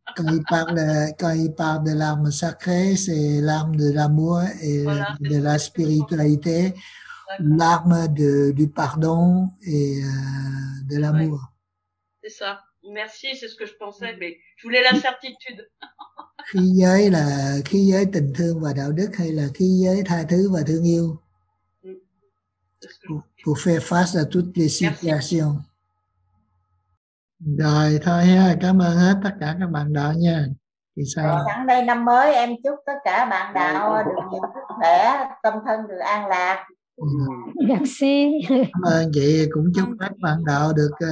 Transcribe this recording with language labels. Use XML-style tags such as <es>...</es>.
<fr>Quand il parle de l'arme sacrée, c'est l'arme de l'amour et voilà, de la spiritualité, l'arme du pardon et de l'amour. Ouais. C'est ça. Merci, c'est ce que je pensais, mais je voulais la certitude.</fr> <vi>Khí giới là khí giới tình thương và đạo đức hay là khí giới tha thứ và thương yêu?</vi> <fr>Pour faire face à toutes les situations.</fr> <vi>Rồi thôi ha, cảm ơn hết tất cả các bạn đạo nha. Thì sao? Sẵn đây năm mới em chúc tất cả bạn đạo được nhiều sức khỏe, tâm thân được an lạc.</vi> <fr>Merci.</fr> <vi>Cảm ơn chị, cũng chúc các bạn đạo được</vi>